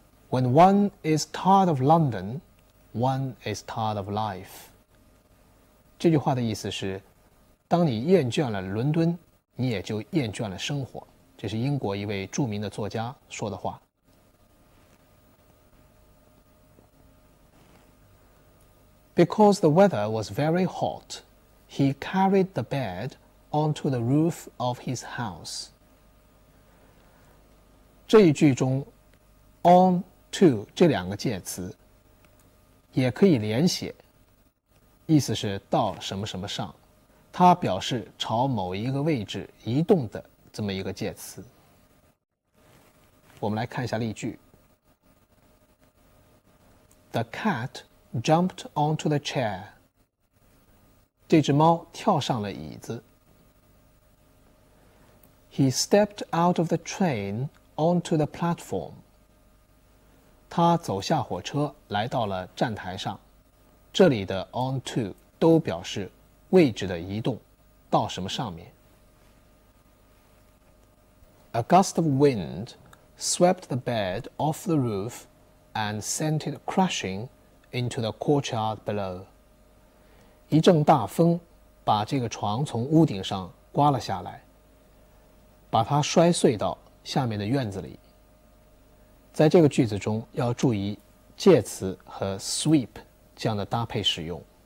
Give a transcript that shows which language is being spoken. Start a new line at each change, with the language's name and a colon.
English: When one is tired of London, one is tired of life.
Chinese: 这句话的意思是，当你厌倦了伦敦，你也就厌倦了生活。这是英国一位著名的作家说的话。
English: Because the weather was very hot, he carried the bed onto the roof of his house.
Chinese: 这一句中 on to 这两个介词也可以连写，意思是到什么什么上，它表示朝某一个位置移动的这么一个介词。我们来看一下例句。
English: The catJumped onto the chair.
Chinese: 这只猫跳上了椅子。
English: He stepped out of the train onto the platform.
Chinese: 他走下火车来到了站台上。这里的 onto 都表示位置的移动，到什么上面。
English: A gust of wind swept the bed off the roof and sent it crashing. Into the courtyard below.
Chinese: 一阵大风把这个床从屋顶上刮了下来，把它摔碎到下面的院子里。在这个句子中要注意介词和 sweep 这样的搭配使用。